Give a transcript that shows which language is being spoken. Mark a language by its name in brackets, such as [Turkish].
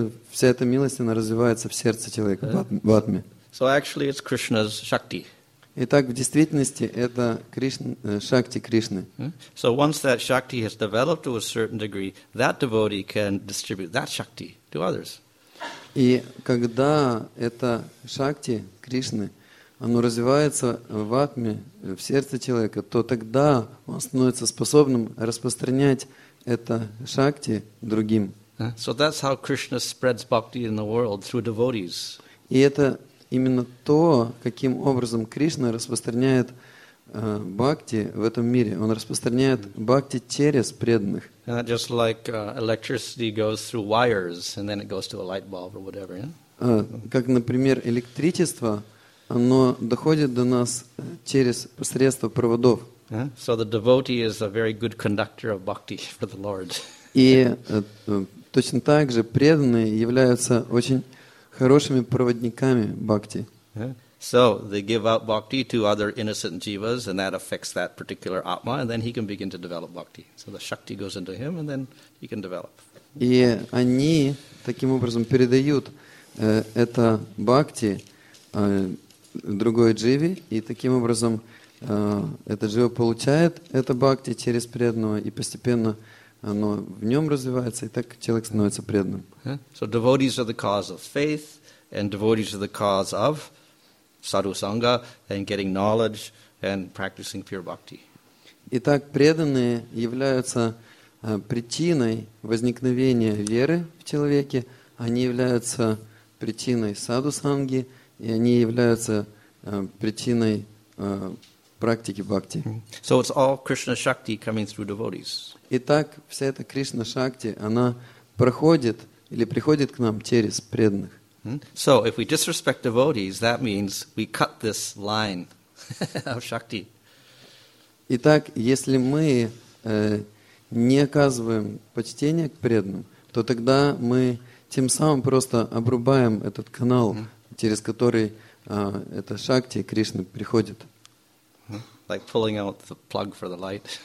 [Russian] Вся эта милость, она развивается в сердце человека, в атме. [English] So actually, it's Krishna's shakti. [Russian] Итак, в действительности, это шакти Кришны. [English] So once that shakti has developed to a certain degree, that devotee can distribute that shakti to others. [Russian] И когда это шакти Кришны, оно развивается в атме, в сердце человека, то тогда он становится способным распространять это шакти другим. [English] So that's how Krishna spreads bhakti in the world through devotees. [Russian] И это именно то, каким образом Кришна распространяет бхакти в этом мире. Он распространяет бхакти через преданных. [English] Just like electricity goes through wires and then it goes to a light bulb or whatever. Yeah? [Russian] Как, например, электричество, оно доходит до нас через посредство проводов. [English] So the devotee is a very good conductor of bhakti for the Lord. [Russian] И точно так же преданные являются очень хорошими проводниками бхакти. [English] So they give out bhakti to other innocent jivas, and that affects that particular atma, and then he can begin to develop bhakti. So the shakti goes into him, and then he can develop. [Russian] И они таким образом передают это бхакти другой дживе, и таким образом этот джива получает это бхакти через преданного, и постепенно оно в нем развивается, и так человек становится преданным. [English] So devotees are the cause of faith, and devotees of the cause of Sadhu Sangha and getting knowledge and practicing pure bhakti. [Russian] Итак, преданные являются причиной возникновения веры в человеке, они являются причиной саду санги, и они являются причиной практики бхакти. [English] So it's all Krishna Shakti coming through devotees. [Russian] Итак, вся эта Кришна Шакти, она проходит или приходит к нам через преданных. [English] So if we disrespect devotees, that means we cut this line of Shakti. [Russian] Итак, если мы не оказываем почтения к преданным, то тогда мы тем самым просто обрубаем этот канал, через который эта Шакти Кришны приходит. [English] Like pulling out the plug for the light.